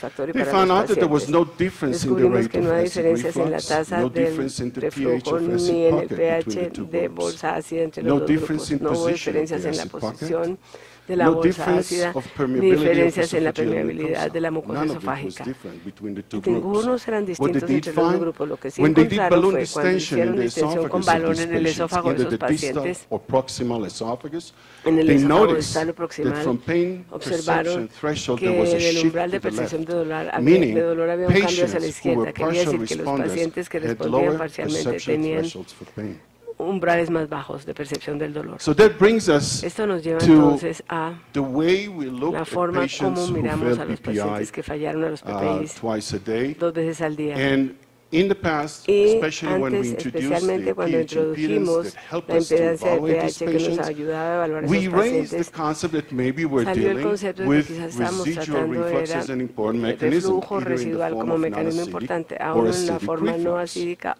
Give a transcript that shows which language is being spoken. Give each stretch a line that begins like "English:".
English: They found out that there was no difference in the rate of acid reflux, no difference in the pH of acid pocket between the two groups, no difference in position of acid pocket.
Spanish: De la bolsa ácida, ni diferencias en la permeabilidad de la mucosa esofágica. Ninguno eran distintos entre los dos grupos. Lo que sí encontraron fue cuando hicieron distensión con balón en el esófago de esos pacientes, en el esófago distal o proximal, observaron que en el umbral de percepción de dolor había un cambio hacia la izquierda, que quería decir que los pacientes que respondían parcialmente tenían umbrales más bajos de percepción del dolor.
English: So that brings us
Spanish: esto nos lleva entonces a
English: the way we look
Spanish: la forma
English: at patients
Spanish: como miramos
English: who
Spanish: a los pacientes que fallaron a los PPIs
English: twice a day.
Spanish: Dos veces al día.
English: And in the past, especially
Spanish: antes,
English: when we introduced the pH impedance that helped us to evaluate these patients, we raised the concept that maybe we're dealing with residual reflux as an important mechanism, either in the form of non-acidic